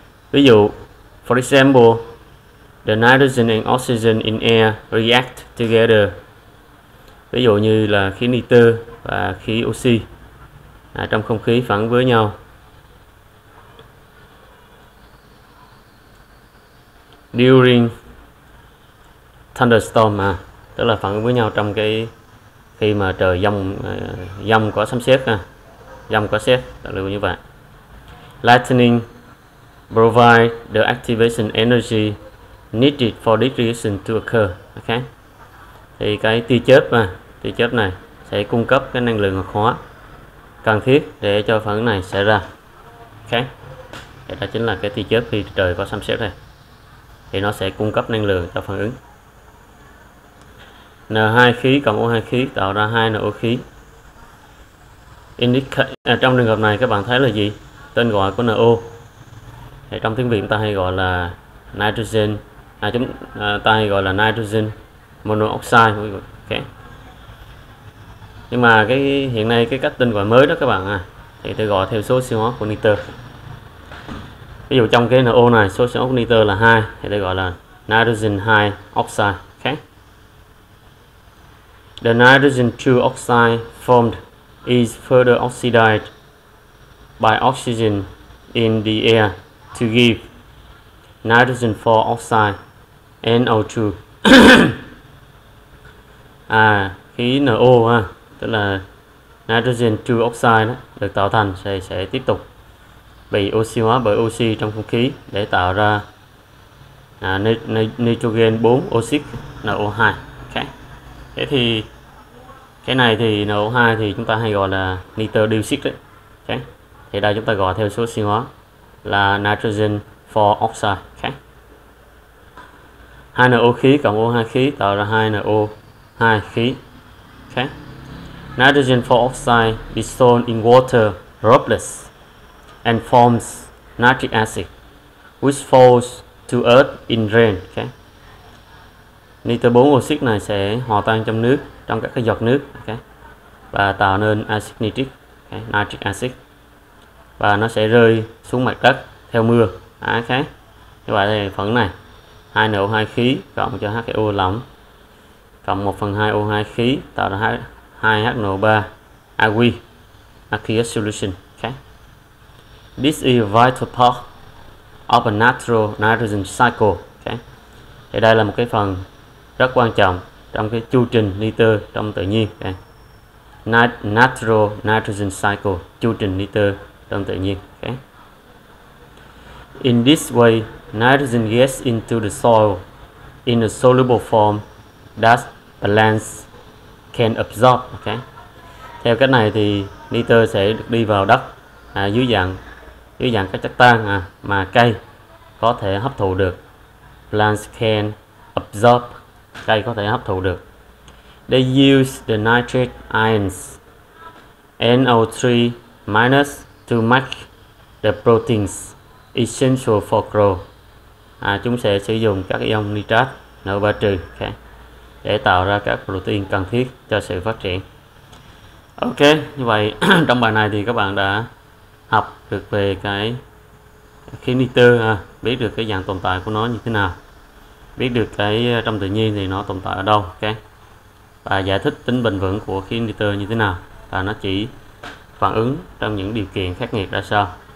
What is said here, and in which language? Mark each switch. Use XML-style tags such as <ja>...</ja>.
<vi>Ví dụ,</vi> <en>for example, the nitrogen and oxygen in air react together.</en> <vi>Ví dụ như là khí nitơ và khí oxy trong không khí phản ứng với nhau.</vi> <en>During thunderstorm</en> <vi>mà, tức là phản ứng với nhau trong cái khi mà trời giông giông có sấm sét ha. Giông có sét, tức là như vậy. Lightning provide the activation energy needed for this reaction to occur.</vi> <en>Okay.</en> <vi>Thì cái tia chớp mà, tia chớp này sẽ cung cấp cái năng lượng hoạt hóa cần thiết để cho phản ứng này xảy ra. Okay. Thì đó chính là cái tia chớp khi trời có sấm sét này. Thì nó sẽ cung cấp năng lượng cho phản ứng. N2 khí cộng O2 khí tạo ra 2 NO khí. Trong trường hợp này các bạn thấy là gì? Tên gọi của NO. Thì trong tiếng Việt ta hay gọi là nitrogen, ta hay gọi là nitrogen monoxide. Okay. Nhưng mà cái hiện nay cái cách tên gọi mới đó các bạn à, thì tôi gọi theo số siêu hóa của nitơ. Ví dụ trong cái NO này số siêu hóa của nitơ là 2 thì tôi gọi là nitrogen 2 oxide.</vi> <en>Okay. The nitrogen 2 oxide formed is further oxidized by oxygen in the air to give nitrogen 4 oxide NO2.</en> <vi>À, khí NO ha, tức là nitrogen 2 oxide đó, được tạo thành sẽ tiếp tục bị oxy hóa bởi oxy trong không khí để tạo ra nitrogen 4 oxit NO2. Okay. Thế thì cái này thì NO2 thì chúng ta hay gọi là nitơ dioxit đấy. Okay. Thì đây chúng ta gọi theo số sinh hóa là nitrogen 4 oxide. Okay. 2 NO khí cộng O2 khí tạo ra 2 NO2 khí.</vi> <en>Okay. Nitrogen 4 oxide dissolves in water droplets and forms nitric acid which falls to earth in rain. Okay.</en> <vi>Nitơ 4 oxit này sẽ hòa tan trong nước, trong các cái giọt nước, okay, và tạo nên acid nitric, okay, nitric acid, và nó sẽ rơi xuống mặt đất theo mưa. Okay. Như vậy thì phần này 2 NO2 khí cộng cho H2O lỏng cộng 1 phần 2 O2 khí tạo ra 2 HNO3 aqua,</vi> <en>aqueous solution. Okay. This is a vital part of a natural nitrogen cycle. Okay.</en> <vi>Thì đây là một cái phần rất quan trọng trong cái chu trình nitơ trong tự nhiên. Okay.</vi> <en>Natural nitrogen cycle,</en> <vi>chu trình nitơ trong tự nhiên.</vi> <en>Okay. In this way, nitrogen gets into the soil in a soluble form that plants can absorb. Okay.</en> <vi>Theo cách này thì nitơ sẽ được đi vào đất dưới dạng các chất tan mà cây có thể hấp thụ được.</vi> <en>Plants can absorb.</en> <vi>Cây có thể hấp thụ được.</vi> <en>They use the nitrate ions NO3- to make the proteins essential for growth.</en> <vi>Chúng sẽ sử dụng các ion nitrat NO3- okay, để tạo ra các protein cần thiết cho sự phát triển. Ok, như vậy trong bài này thì các bạn đã học được về cái khí nitơ, biết được cái dạng tồn tại của nó như thế nào, biết được cái trong tự nhiên thì nó tồn tại ở đâu, okay, và giải thích tính bền vững của khí nitơ như thế nào và nó chỉ phản ứng trong những điều kiện khắc nghiệt ra sao.</vi>